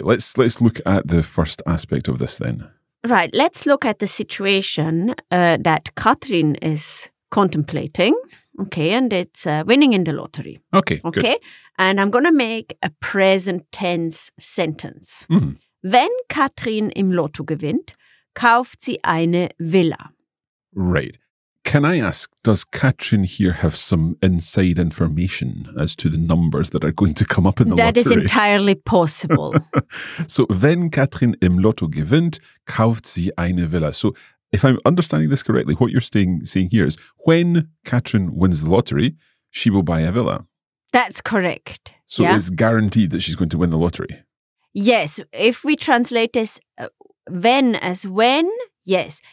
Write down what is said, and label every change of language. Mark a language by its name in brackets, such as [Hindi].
[English] Let's look at the first aspect of this then. Right. Let's look at the situation that Katrin is contemplating. Okay. And it's winning in the lottery. Okay. Okay. Good. And I'm going to make a present tense sentence. Mm-hmm. [German] Wenn Katrin im Lotto gewinnt, kauft sie eine Villa. [English] Right. Can I ask, does Katrin here have some inside information as to the numbers that are going to come up in the lottery? That is entirely possible. [German] So, wenn Katrin im Lotto gewinnt, kauft sie eine Villa. [English] So, if I'm understanding this correctly, what you're saying here is, when Katrin wins the lottery, she will buy a villa. That's correct. So, yeah. It's guaranteed that she's going to win the lottery. Yes, if we translate this when as when, yes.